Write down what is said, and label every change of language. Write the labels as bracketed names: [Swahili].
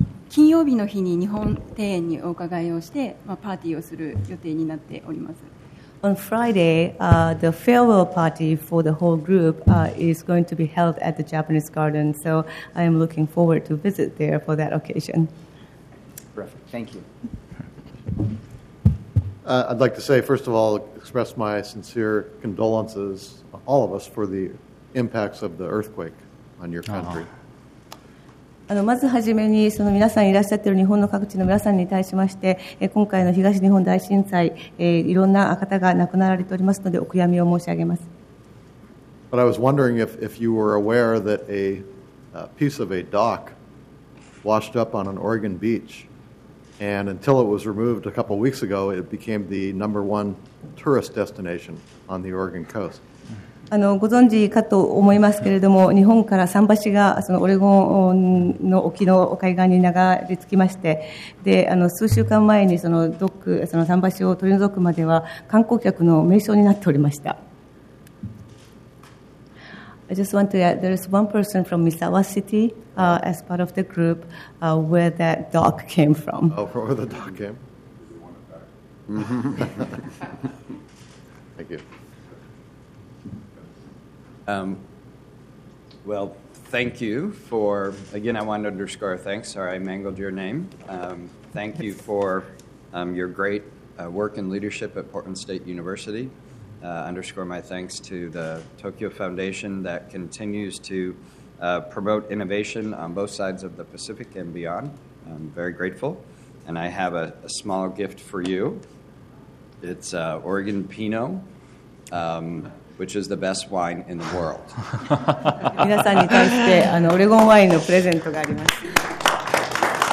[Japanese] 金曜日の日に日本庭園にお伺いをして、まあ、パーティーをする予定になっております。 [English] On Friday, the farewell party for the whole group is going to be held at the Japanese Garden, so I am looking forward to visit there for that occasion. Terrific. Thank you. I'd like to say, first of all, express my sincere condolences, all of us, for the impacts of the earthquake on your country. [Japanese] まずはじめにその皆さんいらっしゃっている日本の各地の皆さんに対しまして、今回の東日本大震災、いろんな方が亡くなられておりますのでお悔やみを申し上げます。 [English] But I was wondering if you were aware that a piece of a dock washed up on an Oregon beach, and until it was removed a couple weeks ago, it became the number one tourist destination on the Oregon coast. [Japanese] ご存知かと思いますけれども、日本から桟橋がそのオレゴンの沖の海岸に流れ着きまして、で数週間前にそのドック、その桟橋を取り除くまでは観光客の名所になっておりました。 [English] I just want to add, there is one person from Misawa City, as part of the group, where that dock came from. Oh, where the dock came? Thank you. Well, thank you for, again, I want to underscore thanks. Sorry, I mangled your name. Thank you for your great work and leadership at Portland State University. Underscore my thanks to the Tokyo Foundation that continues to promote innovation on both sides of the Pacific and beyond. I'm very grateful. And I have a small gift for you. It's Oregon Pinot. Which is the best wine in the world. [Japanese] 皆さんに対してオレゴンワインのプレゼントがあります。